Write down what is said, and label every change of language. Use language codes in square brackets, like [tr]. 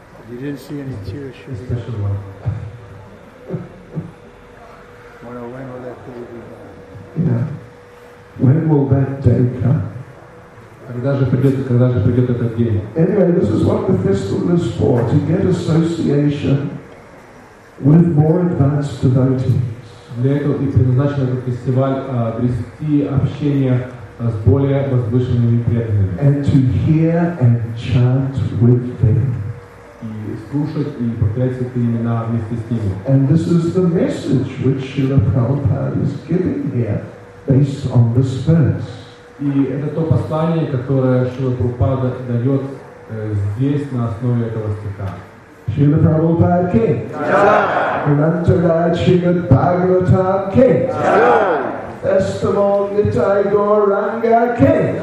[en] You didn't see any tears, Shrila. When will that day be done? Yeah. When will that day come? [ru] Когда же придет этот день? [en] Anyway, this is what the festival is for, to get association with more advanced devotees. [ru] для этого и предназначен этот фестиваль обрести общение с более возвышенными преданными. [en] And to hear and chant with them. [ru] И слушать и повторять эти имена вместе с ними. [en] And this is the message which Srila Prabhupada is giving here based on this verse. [ru] И это то послание, которое Шрила Прабхупада дает здесь на основе этого стиха. Шрила Прабхупада ке. Анантара Шримад Бхагаватам ке. Фестивал Нитай Гауранга ке.